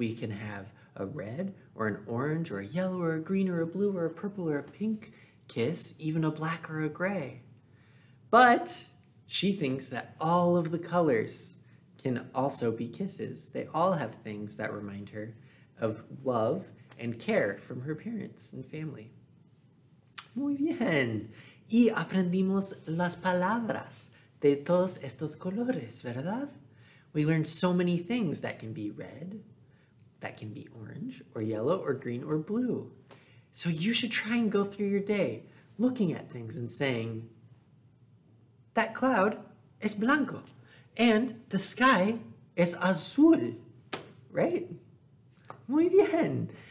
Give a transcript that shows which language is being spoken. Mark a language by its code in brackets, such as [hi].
[en] We can have a red or an orange or a yellow or a green or a blue or a purple or a pink kiss, even a black or a gray. But she thinks that all of the colors can also be kisses. They all have things that remind her of love and care from her parents and family. [es] Muy bien. Y aprendimos las palabras de todos estos colores, ¿verdad? [en] We learned so many things that can be red, that can be orange, or yellow, or green, or blue. So you should try and go through your day looking at things and saying, that cloud [es] es blanco, [en] and the sky is azul, right? [es] Muy bien.